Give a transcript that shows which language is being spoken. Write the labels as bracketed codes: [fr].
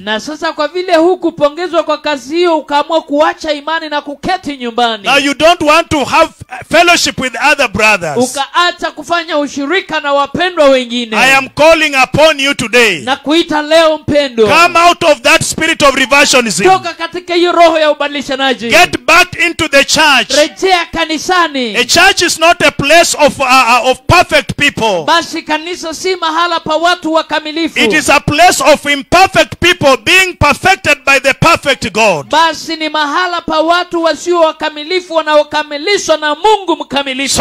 [sw] Na sasa kwa vile hukupongezwa kwa kazi hiyo, ukaamua kuacha imani na kuketi nyumbani. [en] Now you don't want to have fellowship with other brothers. [sw] Ukaacha kufanya ushirika na wapendwa wengine. [en] I am calling upon you today. [sw] Na kuita leo mpendo. [en] Come out of that spirit of reversionism. [sw] Toka katika hiyo roho ya ubadilishanaji. [en] Get back into the church. [sw] Rejea kanisani. [en] A church is not a place of perfect people. [sw] Basi kanisa si mahala pa watu wakamilifu. [en] It is a place of imperfect people being perfected by the perfect God. [sw] Basi ni mahala pa watu wasio wakamilifu wanaokamilishwa na Mungu mkamilifu.